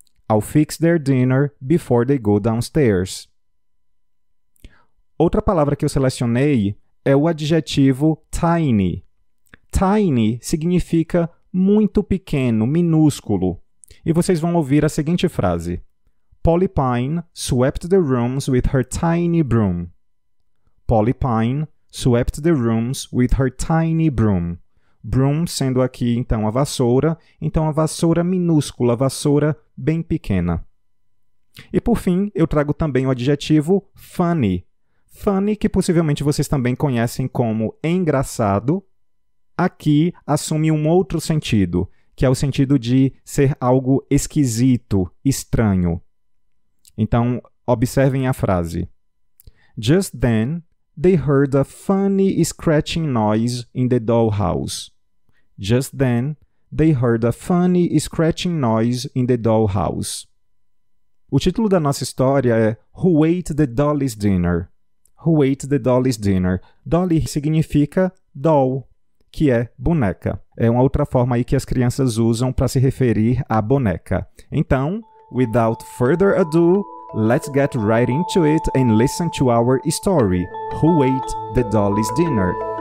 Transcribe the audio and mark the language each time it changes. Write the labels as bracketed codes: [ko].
[en] I'll fix their dinner before they go downstairs. [pt] Outra palavra que eu selecionei é o adjetivo tiny. Tiny significa muito pequeno, minúsculo. E vocês vão ouvir a seguinte frase: [en] Polly Pine swept the rooms with her tiny broom. Polly Pine swept the rooms with her tiny broom. [pt] Broom sendo aqui, então, a vassoura minúscula, a vassoura bem pequena. E, por fim, eu trago também o adjetivo funny. Funny, que possivelmente vocês também conhecem como engraçado, aqui assume um outro sentido, que é o sentido de ser algo esquisito, estranho. Então, observem a frase. [en] Just then, they heard a funny scratching noise in the dollhouse. Just then, they heard a funny scratching noise in the dollhouse. [pt] O título da nossa história é Who Ate the Dolly's Dinner? Who Ate the Dolly's Dinner? Dolly significa doll, que é boneca. É uma outra forma aí que as crianças usam para se referir à boneca. [en] Então, without further ado, let's get right into it and listen to our story. Who Ate the Dolly's Dinner?